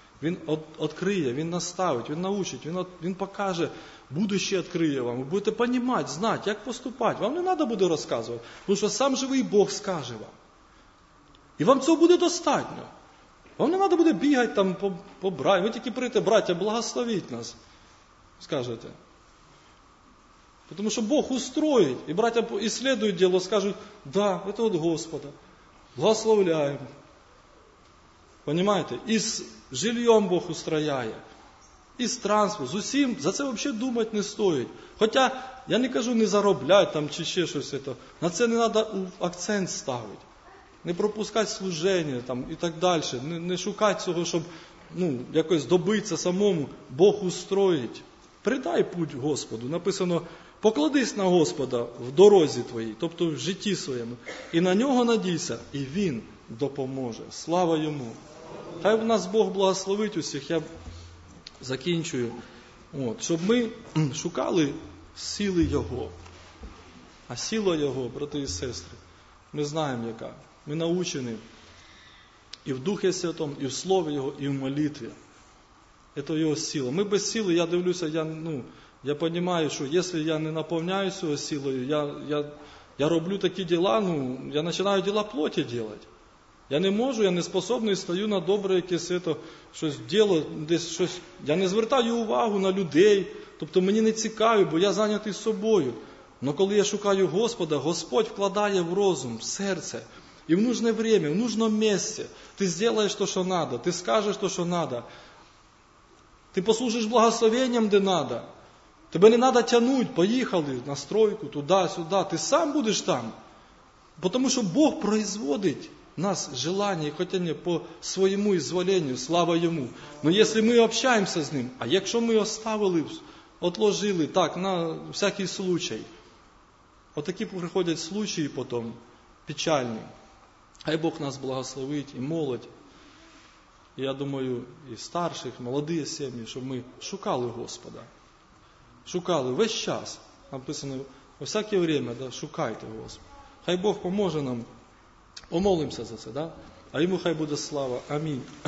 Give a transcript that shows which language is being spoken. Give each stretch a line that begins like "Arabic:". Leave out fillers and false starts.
Ukrainian: Він відкриє, Він наставить, Він научить, Він покаже,
Russian: будущее
Ukrainian: відкриє вам. Ви будете
Russian: понимать, знать,
Ukrainian: як поступать. Вам не треба буде розказувати, тому що сам живий Бог скаже вам.
Russian: И вам этого будет достаточно. Вам не надо будет бегать там по братьям. Вы только прийти, братья, благословить нас, скажете. Потому что Бог устроит. И братья исследуют дело, скажут, да, это от Господа. Благословляем. Понимаете? И с жильем Бог устрояє. И с транспортом,
Ukrainian: с усім.
Russian: За это вообще думать не стоит.
Ukrainian: Хотя, я не кажу не зароблять там, чи ще щось.
Russian: Это. На это не надо акцент ставить. Не пропускать служение там, и так дальше. Не шукать того, чтобы как-то добиться самому. Бог устроить. Придай путь Господу.
Ukrainian: Написано, покладись на Господа в дорозі твоїй, тобто в житті своєму. І на нього надійся, і він допоможе. Слава йому. Хай в нас Бог благословить усіх. Я закінчую. Щоб ми шукали сили його. А сила його, брати і сестри, ми знаємо яка. Ми научені і в Духі Святому, і в Слові Його, і в молитві. Це Його сила. Ми без сили, я дивлюся, я розумію, що якщо я не наповняюся Його силою, я роблю такі діла, я починаю діла плоті робити. Я не можу, я не способний, стаю на добре якесь це, щось діло, десь щось. Я не звертаю увагу на людей, тобто мені не цікаві, бо я зайнятий собою. Але коли я шукаю Господа, Господь вкладає в розум, в серце.
Russian: И в нужное время, в нужном месте ты сделаешь то, что надо, ты скажешь то, что надо. Ты послужишь благословением, где надо. Тебе не надо тянуть, поехали на стройку, туда-сюда. Ты сам будешь там. Потому что Бог производит нас желание и хотение по своему изволению, слава Ему. Но если мы общаемся с Ним, а если мы оставили, отложили, так, на всякий случай. Вот такие приходят случаи потом, печальные.
Ukrainian: Хай Бог нас благословить і молодь, я думаю, і старших, молоді сім'ї, щоб ми шукали Господа. Шукали весь час, написано, у всяке время, да, шукайте Господа. Хай Бог поможе нам, помолимося за це, да? А йому хай буде слава. Амінь.